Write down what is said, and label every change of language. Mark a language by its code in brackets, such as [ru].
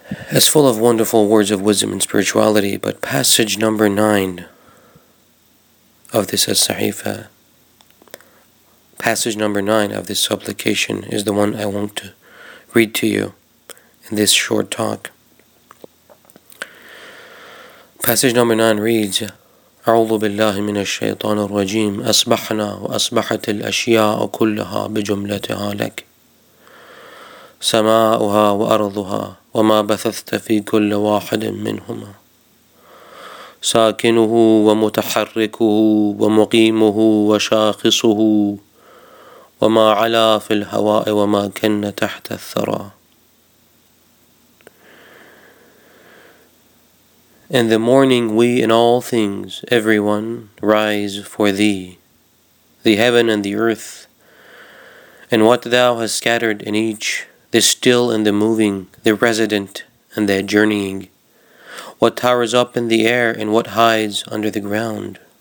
[en] It's full of wonderful words of wisdom and spirituality, but passage number 9 of this As-Sahifa, passage number 9 of this supplication, is the one I want to read to you in this short talk. Passage number 9 reads, [ar] أعوذ بالله من الشيطان الرجيم أصبحنا وأصبحت الأشياء كلها بجملتها لك سماؤها وأرضها وما بثثت في كل واحد منهما ساكنه ومتحركه ومقيمه وشاخصه وما علا في الهواء وما كن تحت الثرى. [en] In the morning we in all things, everyone, rise for thee, the heaven and the earth, and what thou hast scattered in each, the still and the moving, the resident and the journeying, what towers up in the air and what hides under the ground.